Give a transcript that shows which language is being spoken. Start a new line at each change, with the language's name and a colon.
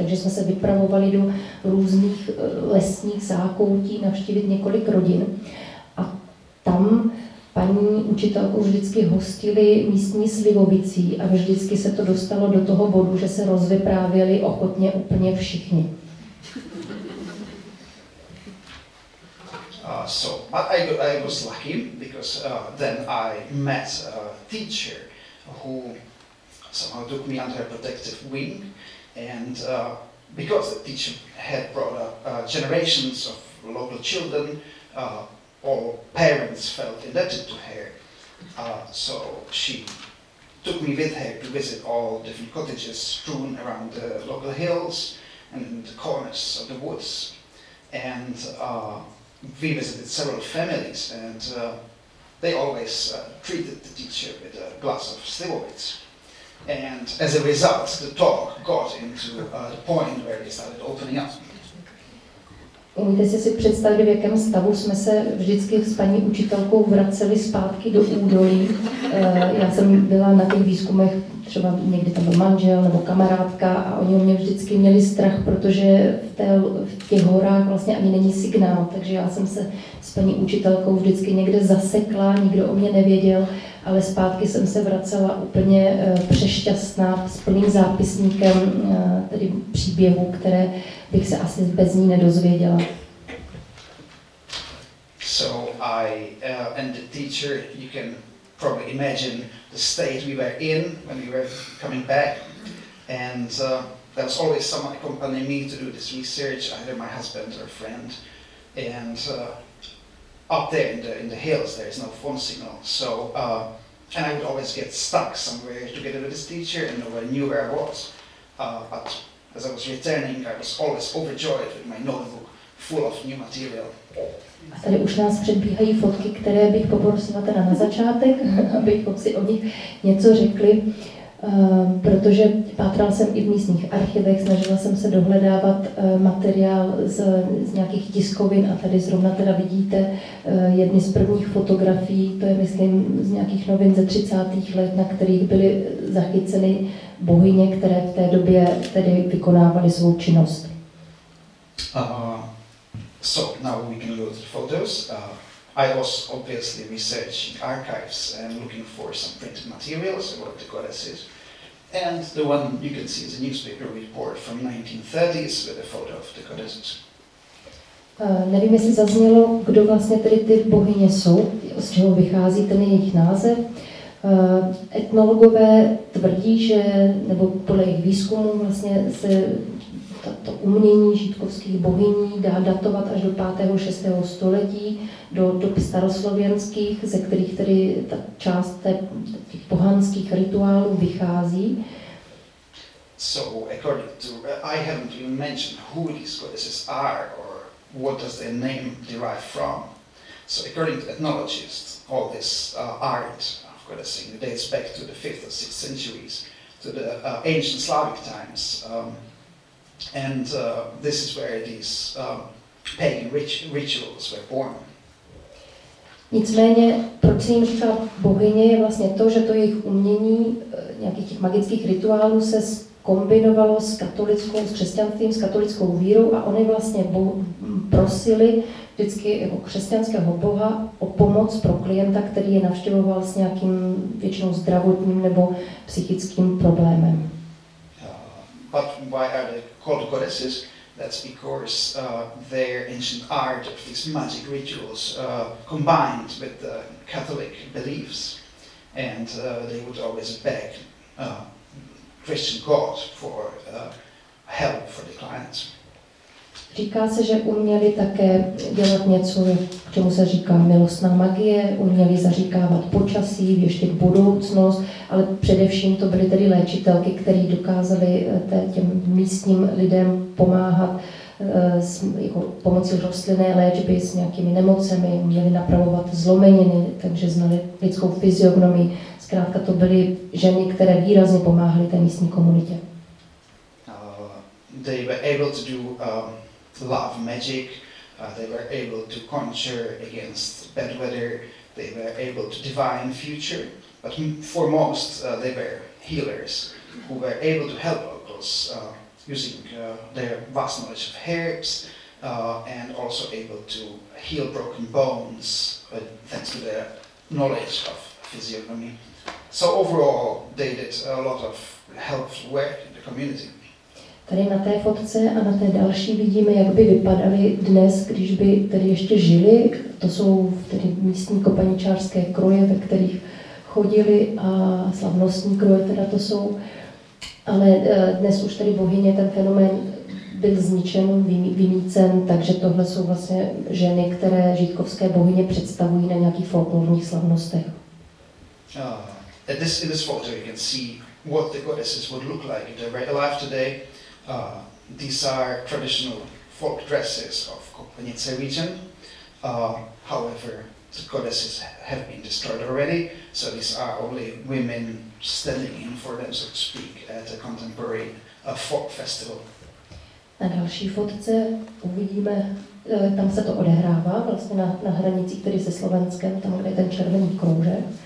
Czech: Takže jsme se vypravovali do různých lesních zákoutí navštívit několik rodin. A tam paní učitelku vždycky hostili místní slivovicí a vždycky se to dostalo do toho bodu, že se rozvyprávěli ochotně úplně všichni.
English: So I was lucky because then I met a teacher who somehow took me under her protective wing, and because the teacher had brought up generations of local children, all parents felt indebted to her. So she took me with her to visit all different cottages strewn around the local hills and the corners of the woods, and we visited several families, and they always treated the teacher with a glass of slivovice. And as a result, the talk got into the point where they started opening up.
Czech: Umíte si představit, v jakém stavu jsme se vždycky s paní učitelkou vraceli zpátky do údolí? Já jsem byla na těch výzkumech, třeba někdy tam byl manžel nebo kamarádka, a oni o mě vždycky měli strach, protože v těch horách vlastně ani není signál, takže já jsem se s paní učitelkou vždycky někde zasekla, nikdo o mě nevěděl, ale zpátky jsem se vracela úplně přešťastná, s plným zápisníkem tedy příběhu, které bych se asi bez ní nedozvěděla.
English: So I and the teacher, you can probably imagine the state we were in when we were coming back, and there was always someone accompanying me to do this research, either my husband or a friend, and up there in the hills there is no phone signal, so and I would always get stuck somewhere together with this teacher and no one knew where I was, but as I was returning I was always overjoyed with my notebook full of new material.
Czech: A tady už nás předbíhají fotky, které bych poprosila teda na začátek, abychom si o nich něco řekli, protože pátral jsem i v místních archivech, snažila jsem se dohledávat materiál z nějakých tiskovin, a tady zrovna teda vidíte jedny z prvních fotografií, to je myslím z nějakých novin ze 30. let, na kterých byly zachyceny bohyně, které v té době tedy vykonávaly svou činnost.
English: So now we can go to the photos. I was obviously researching archives and looking for some printed materials about the goddesses. And the one you can see is a newspaper report from 1930s with a photo of the goddesses.
Czech: Nevím, jestli zaznělo, kdo vlastně tedy ty bohyně jsou, z čeho vychází ten jejich název. Etnologové tvrdí, že nebo podle jejich výzkumu vlastně se to umění žítkovských bohyní dá datovat až do 5. 6. století, do dob staroslověnských, ze kterých tedy ta část těch pohanských rituálů vychází.
English: So according to, I haven't even mentioned who these goddesses are or what does their name derive from. So according to ethnologists, all this art of goddessing dates back to the 5th or 6th centuries, to the ancient Slavic times. And this is where these pagan rituals were born.
Czech: Nicméně, proč se jim říká bohyně, je vlastně to, že to jejich umění, nějakých těch magických rituálů se kombinovalo s katolickou, s křesťanstvím, s katolickou vírou a oni vlastně prosili vždycky jako křesťanského boha o pomoc pro klienta, který je navštěvoval s nějakým většinou zdravotním nebo psychickým problémem.
English: But why are they called goddesses? That's because their ancient art of these magic rituals combined with the Catholic beliefs, and they would always beg Christian God for help for the clients.
Czech: Říká se, že uměli také dělat něco, čemu se říká milostná magie, uměli zaříkávat počasí, věštit budoucnost, ale především to byly tedy léčitelky, které dokázaly těm místním lidem pomáhat jako pomocí rostlinné léčby s nějakými nemocemi, měli napravovat zlomeniny, takže znali lidskou fyziognomii. Zkrátka to byly ženy, které výrazně pomáhaly té místní komunitě.
English: They were able to do love magic, they were able to conjure against bad weather, they were able to divine future, but for most they were healers who were able to help locals using their vast knowledge of herbs and also able to heal broken bones thanks to their knowledge of physiognomy. So overall they did a lot of helpful work in the community.
Czech: Tady na té fotce a na té další vidíme, jak by vypadaly dnes, když by tady ještě žili. To jsou tedy místní kopaničářské kroje, ve kterých chodili, a slavnostní kroje teda to jsou. Ale dnes už tady bohyně, ten fenomén byl zničen, vymícen, takže tohle jsou vlastně ženy, které žítkovské bohyně představují na nějakých folklorních slavnostech.
English: In this photo you can see what the goddesses would look like if they were alive today. These are traditional folk dresses of Kopanice region. However, the goddesses have been destroyed already, so these are only women standing in for them, so to speak, at a contemporary folk festival.
Czech: Na další fotce uvidíme, tam se to odehrává, vlastně na hranici, který se Slovenskem, tam kde je ten červený kroužek.